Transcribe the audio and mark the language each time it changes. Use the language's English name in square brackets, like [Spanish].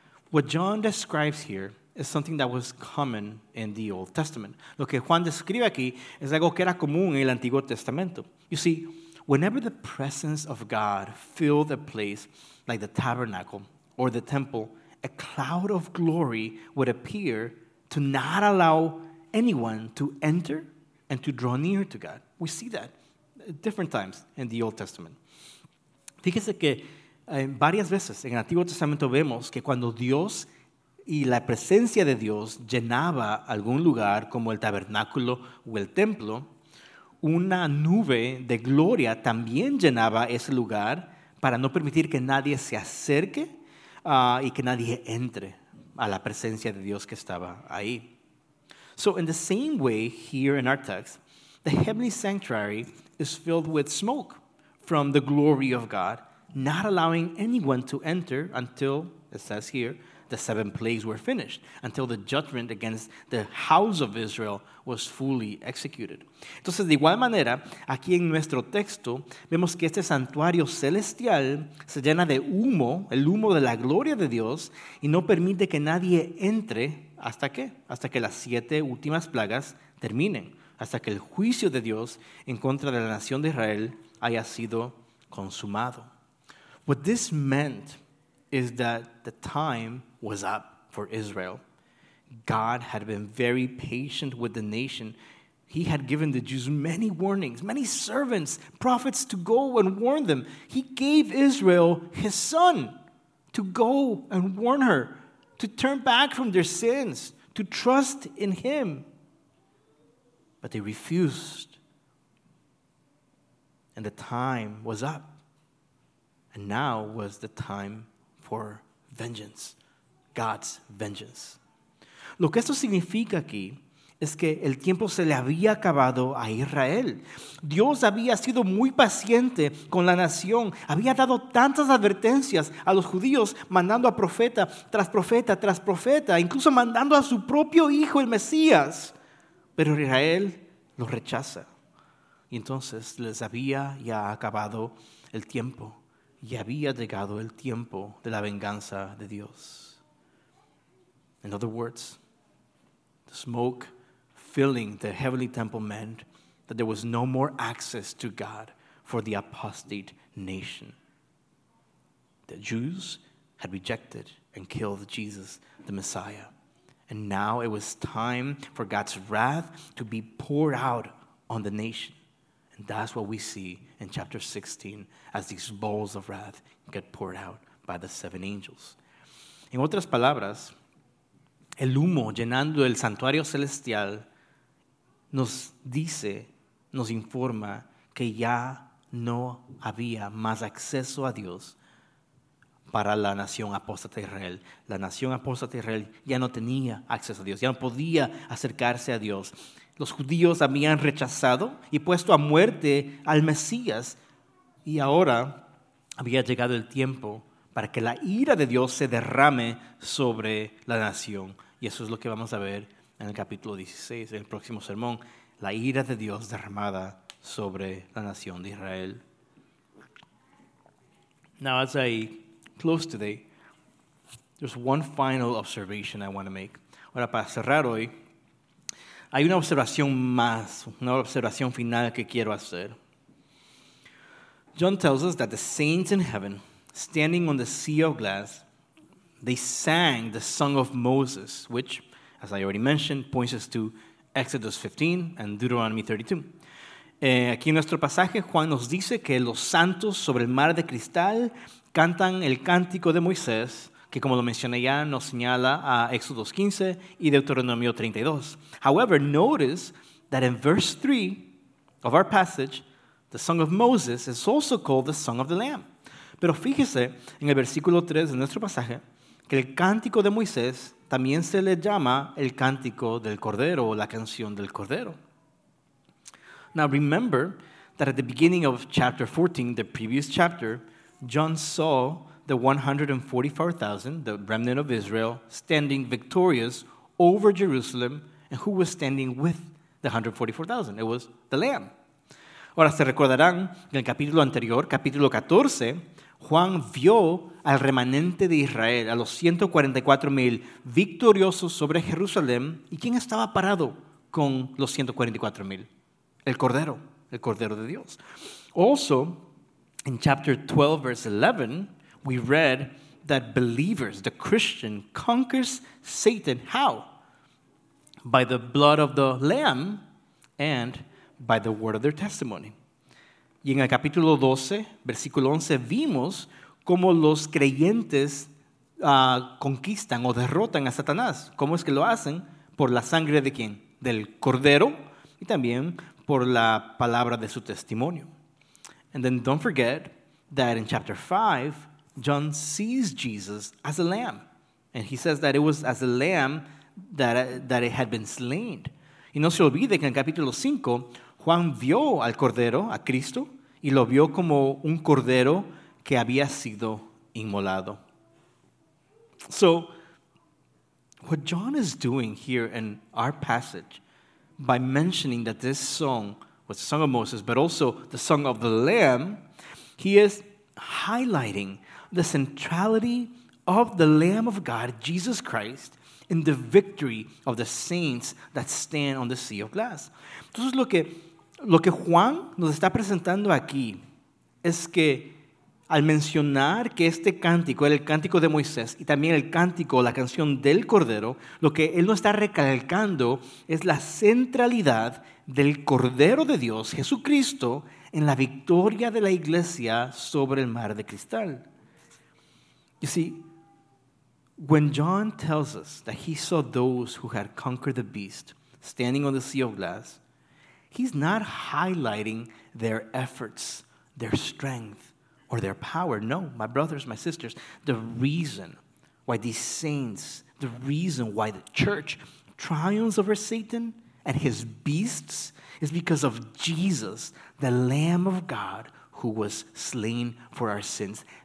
[English] What John describes here is something that was common in the Old Testament. [Spanish] Lo que Juan describe aquí es algo que era común en el Antiguo Testamento. [English] You see, whenever the presence of God filled a place like the tabernacle or the temple, a cloud of glory would appear to not allow anyone to enter and to draw near to God. We see that at different times in the Old Testament. [Spanish] Fíjese que varias veces en el Antiguo Testamento vemos que cuando Dios y la presencia de Dios llenaba algún lugar como el tabernáculo o el templo, una nube de gloria también llenaba ese lugar para no permitir que nadie se acerque y que nadie entre a la presencia de Dios que estaba ahí. [English] So in the same way here in our text, the heavenly sanctuary is filled with smoke from the glory of God, not allowing anyone to enter until, it says here, the seven plagues were finished, until the judgment against the house of Israel was fully executed. [Spanish] Entonces, de igual manera, aquí en nuestro texto, vemos que este santuario celestial se llena de humo, el humo de la gloria de Dios, y no permite que nadie entre, ¿hasta qué? Hasta que las siete últimas plagas terminen, hasta que el juicio de Dios en contra de la nación de Israel haya sido consumado. [English] What this meant is that the time was up for Israel. God had been very patient with the nation. He had given the Jews many warnings, many servants, prophets to go and warn them. He gave Israel his son to go and warn her, to turn back from their sins, to trust in him. But they refused. And the time was up. And now was the time for vengeance, God's vengeance. [Spanish] Lo que esto significa aquí es que el tiempo se le había acabado a Israel. Dios había sido muy paciente con la nación, había dado tantas advertencias a los judíos, mandando a profeta tras profeta tras profeta, incluso mandando a su propio hijo, el Mesías. Pero Israel lo rechaza. Y entonces les había ya acabado el tiempo. Y había llegado el tiempo de la venganza de Dios. [English] In other words, the smoke filling the heavenly temple meant that there was no more access to God for the apostate nation. The Jews had rejected and killed Jesus, the Messiah. And now it was time for God's wrath to be poured out on the nation. And that's what we see in chapter 16 as these bowls of wrath get poured out by the seven angels. [Spanish] En otras palabras, el humo llenando el santuario celestial nos dice, nos informa que ya no había más acceso a Dios para la nación apóstata Israel. La nación apóstata Israel ya no tenía acceso a Dios, ya no podía acercarse a Dios. Los judíos habían rechazado y puesto a muerte al Mesías. Y ahora había llegado el tiempo para que la ira de Dios se derrame sobre la nación. Y eso es lo que vamos a ver en el capítulo 16, en el próximo sermón. La ira de Dios derramada sobre la nación de Israel. [English] Now, as I close today, there's one final observation I want to make. [Spanish] Ahora, para cerrar hoy, hay una observación más, una observación final que quiero hacer. [English] John tells us that the saints in heaven, standing on the sea of glass, they sang the song of Moses, which, as I already mentioned, points us to Exodus 15 and Deuteronomy 32. [Spanish] Aquí en nuestro pasaje, Juan nos dice que los santos sobre el mar de cristal cantan el cántico de Moisés, que como lo mencioné ya, nos señala a Exodus 15 y Deuteronomio 32. [English] However, notice that in verse 3 of our passage, the Song of Moses is also called the Song of the Lamb. [Spanish] Pero fíjese en el versículo 3 de nuestro pasaje, que el cántico de Moisés también se le llama el cántico del Cordero o la canción del Cordero. [English] Now remember that at the beginning of chapter 14, the previous chapter, John saw the 144,000, the remnant of Israel, standing victorious over Jerusalem, and who was standing with the 144,000? It was the Lamb. [Spanish] Ahora, se recordarán que en el capítulo anterior, capítulo 14, Juan vio al remanente de Israel, a los 144,000, victoriosos sobre Jerusalén. ¿Y quién estaba parado con los 144,000? El Cordero de Dios. [English] Also, in chapter 12, verse 11, we read that believers, the Christian, conquers Satan. How? By the blood of the Lamb and by the word of their testimony. [Spanish] Y en el capítulo 12, versículo 11, vimos cómo los creyentes conquistan o derrotan a Satanás. ¿Cómo es que lo hacen? Por la sangre de quién? Del Cordero y también por la palabra de su testimonio. [English] And then don't forget that in chapter 5, John sees Jesus as a lamb. And he says that it was as a lamb that it had been slain. [Spanish] Y no se olvide que en capítulo 5, Juan vio al Cordero, a Cristo, y lo vio como un Cordero que había sido inmolado. [English] So, what John is doing here in our passage, by mentioning that this song was the Song of Moses, but also the Song of the Lamb, he is highlighting the centrality of the Lamb of God, Jesus Christ, in the victory of the saints that stand on the sea of glass. [Spanish] Entonces, lo que Juan nos está presentando aquí es que al mencionar que este cántico era el cántico de Moisés y también el cántico, la canción del Cordero, lo que él nos está recalcando es la centralidad del Cordero de Dios, Jesucristo, en la victoria de la iglesia sobre el mar de cristal. [English] You see, when John tells us that he saw those who had conquered the beast standing on the sea of glass, he's not highlighting their efforts, their strength, or their power. No, my brothers, my sisters, the reason why these saints, the reason why the church triumphs over Satan and his beasts is because of Jesus, the Lamb of God, who was slain for our sins.